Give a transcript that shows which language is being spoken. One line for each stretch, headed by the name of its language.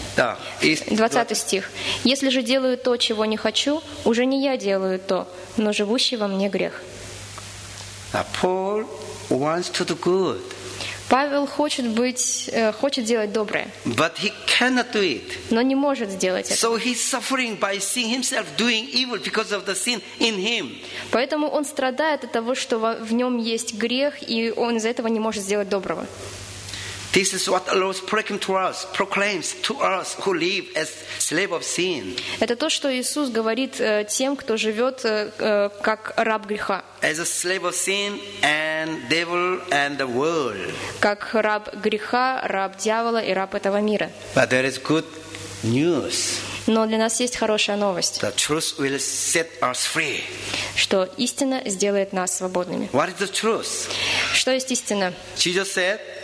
Russian: Да. 20 стих. Если же делаю то, чего не хочу, уже не я делаю то, но живущий во мне грех.
English: А Paul wants to do good.
Russian: Павел хочет быть, хочет делать доброе.
English: But he cannot do it.
Russian: Но не может сделать это.
English: So he's suffering by seeing himself doing evil because of the sin in him.
Russian: Поэтому он страдает от того, что в нем есть грех, и он из-за этого не может сделать доброго.
English: This is what the Lord proclaims to us who live as slave of sin.
Russian: Это то, что Иисус говорит тем, кто живет как раб греха.
English: As a slave of sin and devil and the world.
Russian: Как раб греха, раб дьявола и раб этого мира.
English: But there is good news.
Russian: Но для нас есть хорошая новость.
English: The truth will set us free.
Russian: Что истина сделает нас свободными.
English: What is the truth?
Russian: Что есть истина?
English: Jesus said.